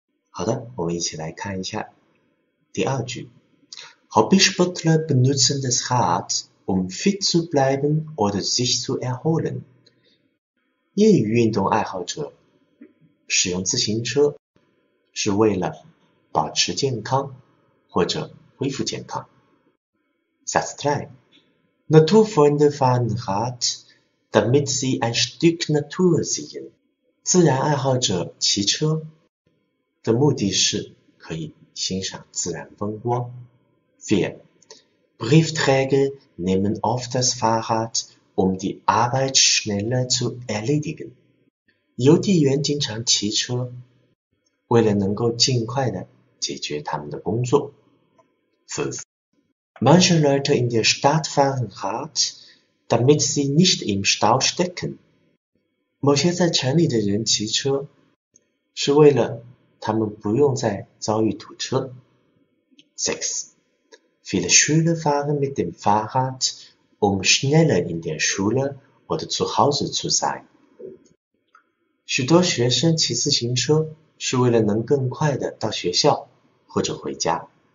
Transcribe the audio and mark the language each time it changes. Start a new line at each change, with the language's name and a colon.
Chinese: 好的，我们一起来看一下第二句。
German: Hobbysportler benutzen das Rad, um fit zu bleiben oder sich zu erholen。
Chinese: 业余运动爱好者使用自行车是为了保持健康或者恢复健康。
German: Satz 3. Naturfreunde fahren Rad, damit sie ein Stück Natur sehen。
Chinese: 自然爱好者骑车的目的是可以欣赏自然风光。
German: 4. Briefträger nehmen oft das Fahrrad, um die Arbeit schneller zu erledigen。
Chinese: 邮递员经常骑车，为了能够尽快的解决他们的工作。
German: Fünf. Manche Leute in der Stadt fahren hart, damit sie nicht im Stau stecken.
Chinese: 某些在城里的人骑车，是为了他们不用再遭遇堵车。
German: Sechs. Viele Schüler fahren mit dem Fahrrad, um schneller in der Schule oder zu Hause zu sein.
Chinese: 许多学生骑自行车是为了能更快地到学校或者回家。